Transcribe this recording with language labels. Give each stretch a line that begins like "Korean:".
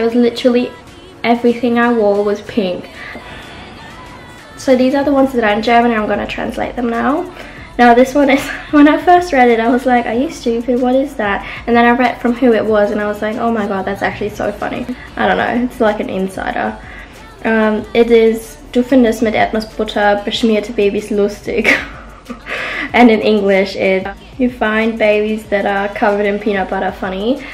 English: There was literally everything I wore was pink. So these are the ones that are in German, and I'm going to translate them now. Now this one is, when I first read it, I was like, are you stupid? What is that? And then I read from who it was and I was like, oh my god, that's actually so funny. I don't know, it's like an insider. It is,
German: du findest mit etwas Butter beschmierte Babys lustig.
English: And in English is, you find babies that are covered in peanut butter funny.